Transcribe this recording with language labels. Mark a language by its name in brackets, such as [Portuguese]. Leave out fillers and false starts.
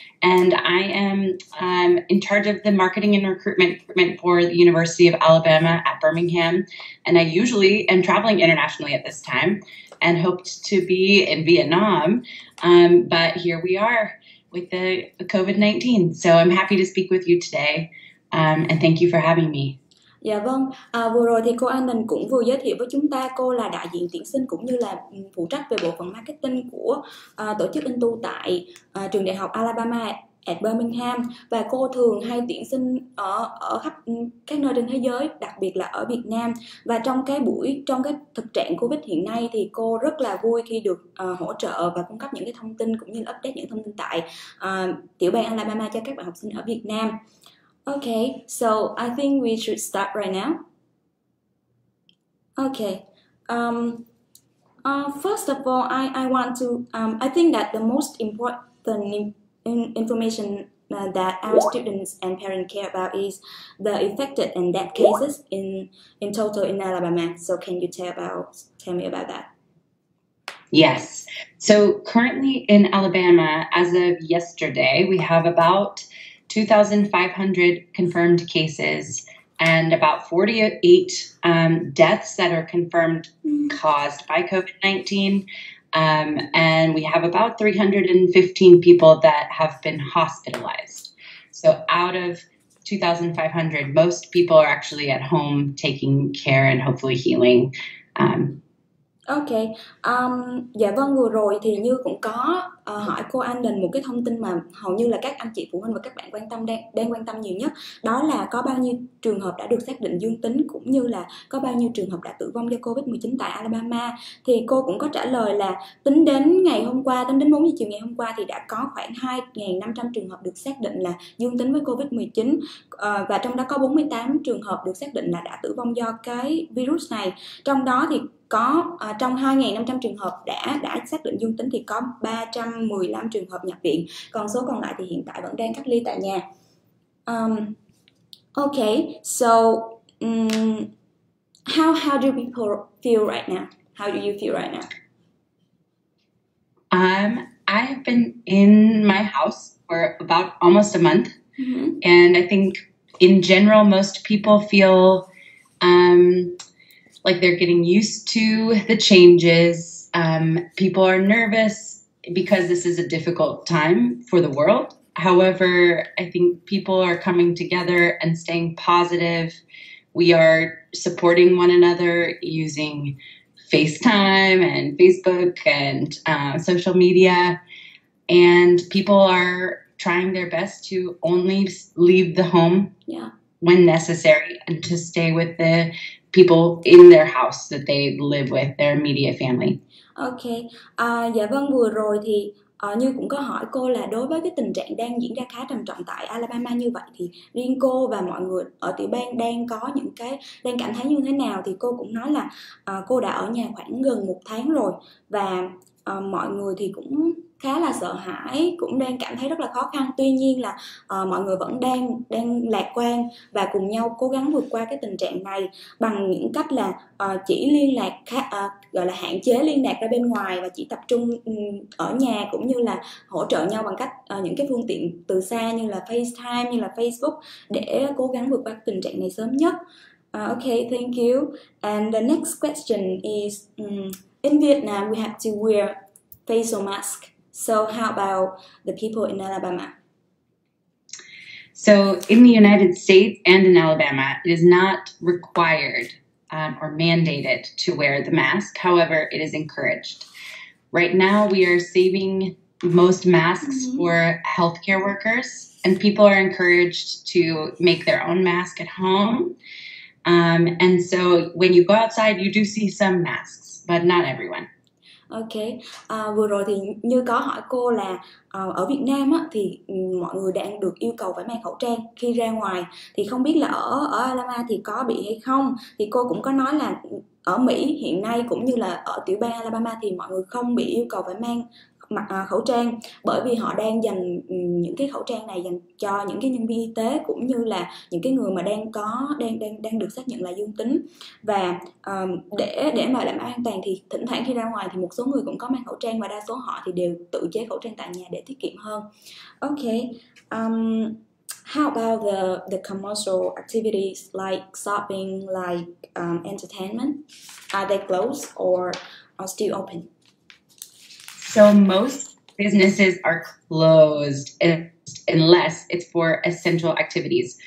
[English] And I am in charge of the marketing and recruitment for the University of Alabama at Birmingham. And I usually am traveling internationally at this time and hoped to be in Vietnam. But here we are with the COVID-19. So I'm happy to speak with you today. And thank you for having me. [Vietnamese] Dạ vâng, vừa rồi thì cô An Đình cũng vừa giới thiệu với chúng ta, cô là đại diện tuyển sinh cũng như là phụ trách về bộ phận marketing của tổ chức in tu tại trường đại học Alabama at Birmingham, và cô thường hay tuyển sinh ở ở khắp các nơi trên thế giới, đặc biệt là ở Việt Nam. Và trong cái thực trạng Covid hiện nay thì cô rất là vui khi được hỗ trợ và cung cấp những cái thông tin cũng như là update những thông tin tại tiểu bang Alabama cho các bạn học sinh ở Việt Nam. [English] Okay, so I think we should start right now. Okay, first of all, I want to I think that the most important information that our students and parents care about is the infected and death cases in total in Alabama. So can you tell me about that? Yes. So currently in Alabama, as of yesterday, we have about 2,500 confirmed cases and about 48 deaths that are confirmed caused by COVID-19. And we have about 315 people that have been hospitalized. So out of 2,500, most people are actually at home taking care and hopefully healing. [Vietnamese] Ok, dạ vâng, vừa rồi thì Như cũng có hỏi cô An Đình một cái thông tin mà hầu như là các anh chị phụ huynh và các bạn đang quan tâm nhiều nhất, đó là có bao nhiêu trường hợp đã được xác định dương tính cũng như là có bao nhiêu trường hợp đã tử vong do COVID-19 tại Alabama. Thì cô cũng có trả lời là tính đến 4 giờ chiều ngày hôm qua thì đã có khoảng 2.500 trường hợp được xác định là dương tính với COVID-19, và trong đó có 48 trường hợp được xác định là đã tử vong do cái virus này. Trong đó thì có trong 2.500 trường hợp đã xác định dương tính thì có 315 trường hợp nhập viện, còn số còn lại thì hiện tại vẫn đang cách ly tại nhà. [English] Okay, so how do people feel right now? How do you feel right now? I have been in my house for about almost a month, and I think in general, most people feel like they're getting used to the changes. People are nervous because this is a difficult time for the world. However, I think people are coming together and staying positive. We are supporting one another using FaceTime and Facebook and social media, and people are trying their best to only leave the home when necessary and to stay with the people in their house that they live with, their immediate family. Okay. [Vietnamese] Dạ vâng, vừa rồi thì như cũng có hỏi cô là đối với cái tình trạng đang diễn ra khá trầm trọng tại Alabama như vậy thì riêng cô và mọi người ở tiểu bang đang có những cái đang cảm thấy như thế nào, thì cô cũng nói là cô đã ở nhà khoảng gần một tháng rồi và mọi người thì cũng khá là sợ hãi, cũng đang cảm thấy rất là khó khăn. Tuy nhiên là mọi người vẫn đang lạc quan và cùng nhau cố gắng vượt qua cái tình trạng này bằng những cách là chỉ liên lạc gọi là hạn chế liên lạc ra bên ngoài và chỉ tập trung ở nhà, cũng như là hỗ trợ nhau bằng cách những cái phương tiện từ xa như là FaceTime, như là Facebook để cố gắng vượt qua tình trạng này sớm nhất. [English] Okay, thank you. And the next question is, in Vietnam we have to wear facial mask. So how about the people in Alabama? So in the United States and in Alabama, it is not required or mandated to wear the mask. However, it is encouraged. Right now, we are saving most masks mm-hmm. for healthcare workers, and people are encouraged to make their own mask at home. And so when you go outside, you do see some masks, but not everyone. [Vietnamese] Ok, vừa rồi thì như có hỏi cô là ở Việt Nam á, thì mọi người đang được yêu cầu phải mang khẩu trang khi ra ngoài. Thì không biết là ở Alabama thì có bị hay không. Thì cô cũng có nói là ở Mỹ hiện nay cũng như là ở tiểu bang Alabama thì mọi người không bị yêu cầu phải mang khẩu trang, bởi vì họ đang dành những cái khẩu trang này dành cho những cái nhân viên y tế cũng như là những cái người mà đang được xác nhận là dương tính. Và để mà đảm bảo an toàn thì thỉnh thoảng khi ra ngoài thì một số người cũng có mang khẩu trang, và đa số họ thì đều tự chế khẩu trang tại nhà để tiết kiệm hơn. [English] Okay, how about the commercial activities like shopping, like entertainment? Are they closed or are still open? So most businesses are closed unless it's for essential activities.